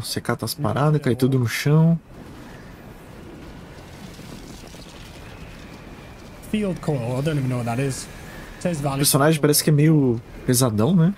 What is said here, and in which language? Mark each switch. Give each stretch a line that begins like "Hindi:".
Portuguese: Você cata as paradas, cai tudo no chão.
English: Field coil, I don't even know what that is. It says value.
Portuguese: O personagem parece que é meio pesadão, né?